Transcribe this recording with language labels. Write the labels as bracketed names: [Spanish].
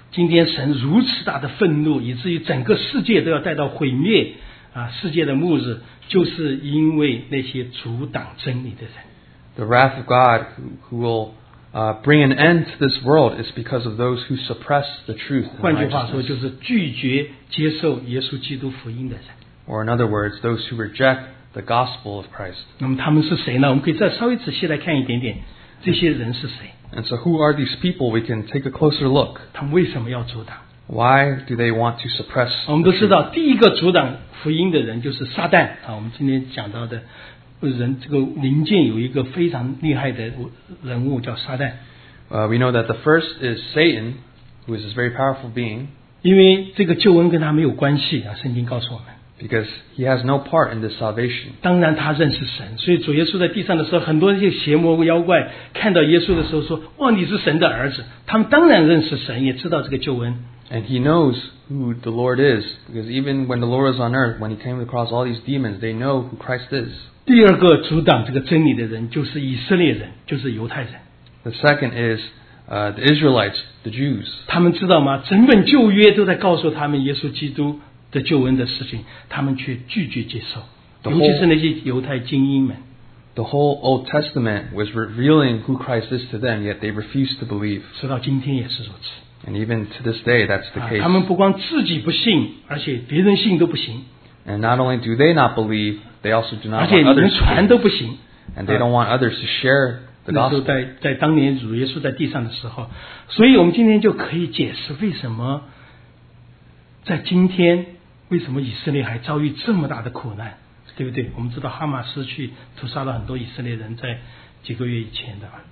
[Chinese] 今天神如此大的愤怒，以至于整个世界都要带到毁灭，啊，世界的末日，就是因为那些阻挡真理的人。 [English] The wrath of God who will bring an end to this world is because of those who suppress the truth. [Chinese] 换句话说，就是拒绝接受耶稣基督福音的人。 [English] Or in other words, those who reject the gospel of Christ. [Chinese] 那么他们是谁呢？我们可以再稍微仔细来看一点点，这些人是谁。 [English] And so who are these people? We can take a closer look. [Chinese] 他们为什么要阻挡？ [English] Why do they want to suppress the truth? [Chinese] 我们都知道，第一个阻挡福音的人就是撒旦啊。我们今天讲到的人，这个灵界有一个非常厉害的人物叫撒旦。 [English] We know that the first is Satan, who is this very powerful being. [Chinese] 因为这个救恩跟他没有关系啊，圣经告诉我们。 [English] Because he has no part in this salvation. [Chinese] 当然他认识神，所以主耶稣在地上的时候，很多那些邪魔妖怪看到耶稣的时候说：“哇，你是神的儿子。” 他们当然认识神，也知道这个救恩。 [English] And he knows who the Lord is, because even when the Lord is on earth, when he came across all these demons, they know who Christ is. [Chinese] 第二个阻挡这个真理的人就是以色列人，就是犹太人。 [English] The second is the Israelites, the Jews. [Chinese] 他们知道吗？整本旧约都在告诉他们耶稣基督的救恩的事情，他们却拒绝接受，尤其是那些犹太精英们。 [English] The whole Old Testament was revealing who Christ is to them, yet they refused to believe. [Chinese] 直到今天也是如此。 [English] And even to this day, that's the case. [Chinese] 他们不光自己不信，而且别人信都不行。 [English] And not only do they not believe, they also do not want others. [Chinese] 而且连传都不行。 [English] And they don't want others to share the gospel. [Chinese] 那时候在当年主耶稣在地上的时候，所以我们今天就可以解释为什么在今天为什么以色列还遭遇这么大的苦难，对不对？我们知道哈马斯去屠杀了很多以色列人，在几个月以前的。